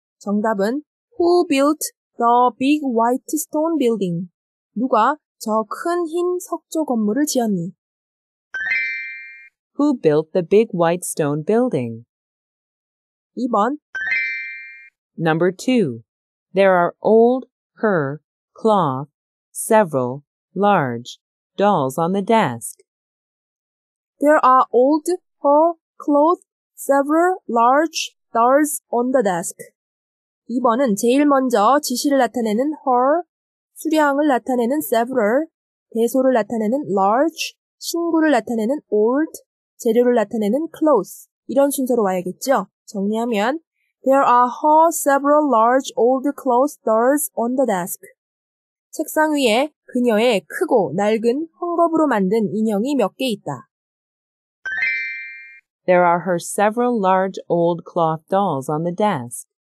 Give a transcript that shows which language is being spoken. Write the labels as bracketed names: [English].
[Korean] 정답은 [English] Who built the big white stone building? [Korean] 누가 저 큰 흰 석조 건물을 지었니? [English] Who built the big white stone building? [Korean] 2번 [English] Number 2. There are old, her, cloth, several, large, dolls on the desk. There are old, her, cloth, several, large, dolls on the desk. [Korean] 2번은 제일 먼저 지시를 나타내는 her, 수량을 나타내는 several, 대소를 나타내는 large, 신구를 나타내는 old, 재료를 나타내는 cloth 이런 순서로 와야겠죠? 정리하면 [English] There are her several large old clothes dolls on the desk. [Korean] 책상 위에 그녀의 크고 낡은 헝겊으로 만든 인형이 몇 개 있다. [English] There are her several large old cloth dolls on the desk.